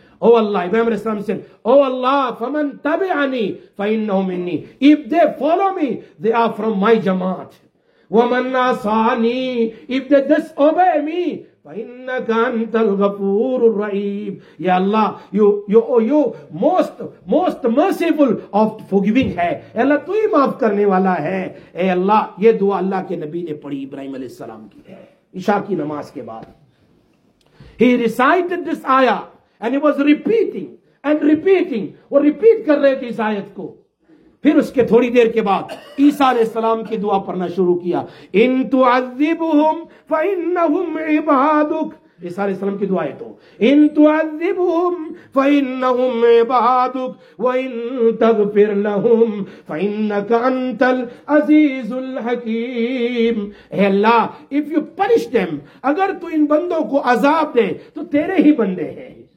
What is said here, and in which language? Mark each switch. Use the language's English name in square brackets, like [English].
[Urdu] او اللہ ابراہیم علیہ السلام سے, [English] او اللہ [Arabic] فمن تبعنی فإنه مني, [English] if they follow me they are from my جماعت, [Arabic] ومن عصاني [English] if they disobey me [Arabic] فَإِنَّكَ أَنْتَ الْغَفُورُ الرَّحِيمُ. [Urdu] یا اللہ [English] you most merciful of forgiving [Urdu] ہے, اے اللہ تو ہی معاف کرنے والا ہے. اے اللہ, یہ دعا اللہ کے نبی نے پڑھی ابراہیم علیہ السلام کی ہے عشاء کی نماز کے بعد. [English] He recited this ayah and he was repeating and repeating. [Urdu] وہ ریپیٹ کر رہے تھے اس آیت کو. پھر اس کے تھوڑی دیر کے بعد عیسیٰ علیہ السلام کی دعا پڑھنا شروع کیا, [Arabic] ان تعذبہم فانہم عبادک. [Urdu] عیسیٰ علیہ السلام کی دعا ہے تو, [Arabic] ان تعذبہم فانہم عبادک وان تغفر لہم فانک انت العزیز الحکیم. [Urdu] اے اللہ, [English] if you punish them, [Urdu] اگر تو ان بندوں کو عذاب دے تو تیرے ہی بندے ہیں.